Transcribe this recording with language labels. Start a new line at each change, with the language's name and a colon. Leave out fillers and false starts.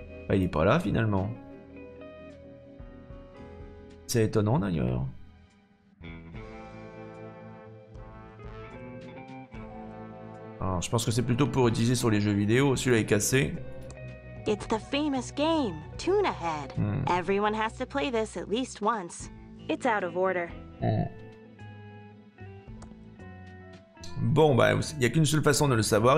French: Ah, il est pas là finalement. C'est étonnant d'ailleurs. Alors, je pense que c'est plutôt pour utiliser sur les jeux vidéo. Celui-là est cassé.
English: It's the famous game, Tuna Head. Everyone has to play this at least once. It's out of order.
French: Bon, bah, il y a qu'une seule façon de le savoir.